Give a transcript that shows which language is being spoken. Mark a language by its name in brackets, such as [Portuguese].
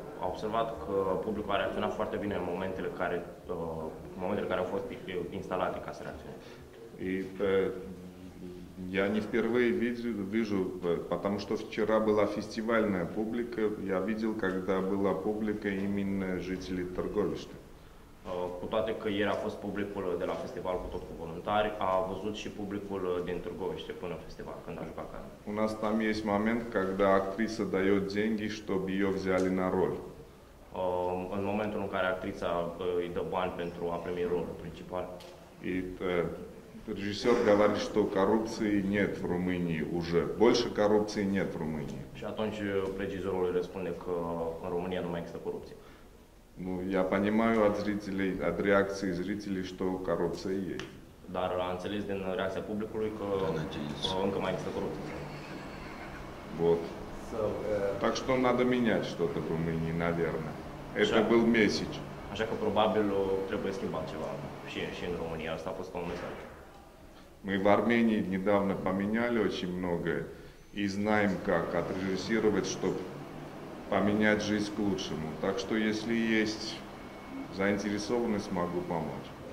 [Romanian] Observat că publicul a reacționat foarte bine în momentele care au fost instalate ca să reacționeze. [Russian] И я не впервые вижу, потому что вчера была фестивальная публика, я видел, когда была публика именно жителей Târговища. [Romanian] Cu toate că ieri a fost publicul de la festival cu tot cu voluntari, a văzut și publicul din Târgoviște până festival, când a jucat Carmen. [Russian] У нас там есть момент, когда актриса дает деньги, чтобы ее взяли на роль. [Romanian] În momentul în care actrița îi dă bani pentru a primi rolul principal. [Russian] И режисер говорит, что коррупции нет в Румынии уже. Больше коррупции нет в Румынии. [Romanian] Și atunci regizorul îi răspunde că în România nu mai există corupție. [Russian] Ну, я понимаю от зрителей, от реакции зрителей, что коррупция есть. [Romanian] Да, înțeles din reacția publicului că încă mai există corupție. [Russian] Вот. Так что надо менять что-то в Румынии, наверное. Это был месседж. [Romanian] Așa că probabil trebuie schimbat ceva și în România. Asta a fost un mesaj. [Russian] Мы в Армении недавно поменяли очень многое и знаем, как отрежиссировать, чтобы поменять жизнь к лучшему. Так что, если есть заинтересованность, могу помочь.